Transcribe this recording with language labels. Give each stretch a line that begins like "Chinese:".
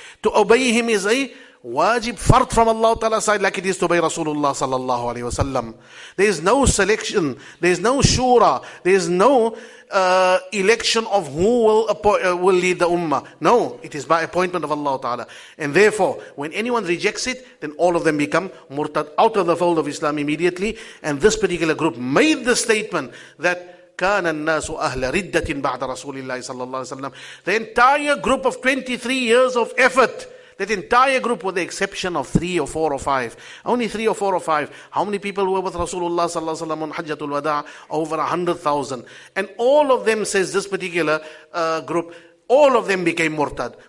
English: To obey him is a wajib fard from Allah Ta'ala's side, like it is to obey Rasulullah sallallahu alayhi wasallam. There is no selection. There is no shura. There is no election of who will lead the ummah. No, it is by appointment of Allah Ta'ala. And therefore, when anyone rejects it, then all of them become murtad, out of the fold of Islam immediately. And this particular group made the statement that
Arabic: كان الناس أهل ردة بعد رسول الله صلى الله عليه وسلم.
English: The entire group of 23 years of effort, that entire group, with the exception of 3 or 4 or 5, only 3 or 4 or 5, how many people were with Rasulullah صلى الله عليه وسلم on Hajjatul Wada? Over 100,000. And all of them, says this particular group, all of them became murtad.